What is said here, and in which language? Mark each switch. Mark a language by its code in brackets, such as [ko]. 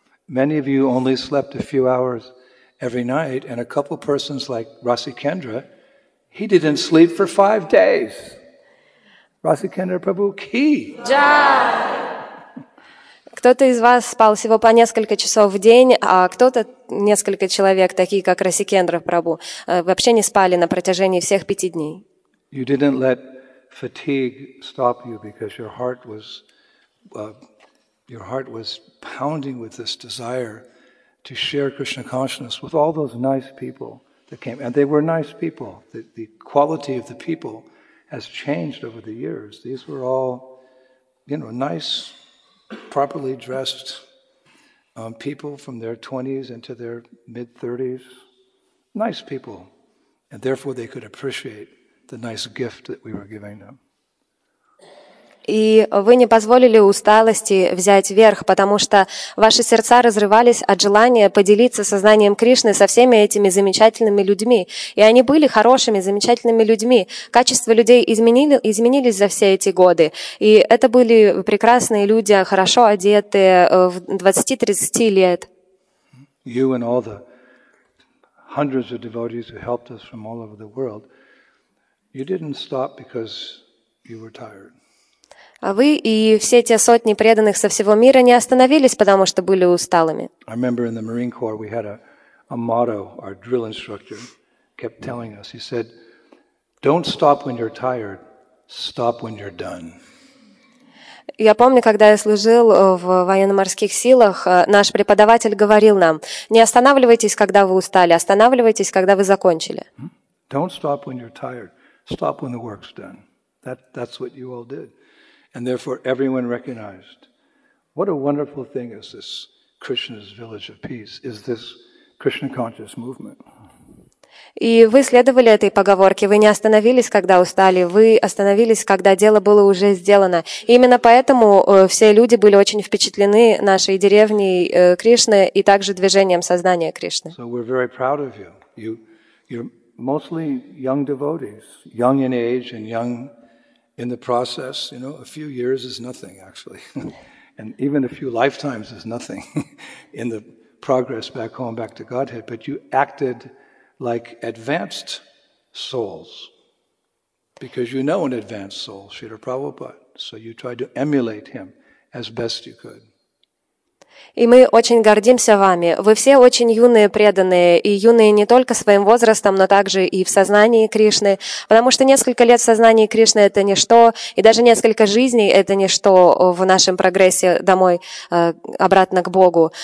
[en] Many of you only slept a few hours every night, and a couple persons like Rasi Kendra, he didn't sleep for 5 days. Rasikendra Prabhu ki. [ru] Кто-то из вас спал всего по несколько часов в день, а кто-то несколько человек, такие как Расикендра Прабу, вообще не спали на протяжении всех 5 дней. [en] You didn't let fatigue stop you because your heart was pounding with this desire to share Krishna consciousness with all those nice people that came, and they were nice people. The quality of the people has changed over the years. These were all, you know, nice, properly dressed people from their 20s into their mid-30s. Nice people. And therefore they could appreciate the nice gift that we were giving them. [ru] И вы не позволили усталости взять верх, потому что ваши сердца разрывались от желания поделиться сознанием Кришны со всеми этими замечательными людьми. И они были хорошими, замечательными людьми. Качество людей изменились за все эти годы. И это были прекрасные люди, хорошо одетые, в 20-30 лет. [en] You and all the hundreds of devotees who helped us from all over the world, you didn't stop because you were tired. [ru] А вы и все те сотни преданных со всего мира не остановились, потому что были усталыми. [en] I remember in the Marine Corps we had a motto, our drill instructor kept telling us. He said, don't stop when you're tired, stop when you're done. [ru] Я помню, когда я служил в военно-морских силах, наш преподаватель говорил нам, не останавливайтесь, когда вы устали, останавливайтесь, когда вы закончили. [en] Don't stop when you're tired, stop when the work's done. That's what you all did. And therefore everyone recognized, what a wonderful thing is this Krishna's village of peace, is this Krishna conscious movement. [ru] И вы следовали этой поговорке, вы не остановились, когда устали, вы остановились, когда дело было уже сделано. И именно поэтому все люди были очень впечатлены нашей деревней Кришны и также движением сознания Кришны. [en] So we're very proud of you. You're mostly young devotees, young in age and young in the process. You know, a few years is nothing, actually. And even a few lifetimes is nothing in the progress back home, back to Godhead. But you acted like advanced souls, because you know an advanced soul, Srila Prabhupada, so you tried to emulate him as best you could. [ru] И мы очень гордимся вами. Вы все очень юные преданные, и юные не только своим возрастом, но также и в сознании Кришны, потому что несколько лет в сознании Кришны — это ничто, и даже несколько жизней — это ничто в нашем прогрессе домой, обратно к Богу.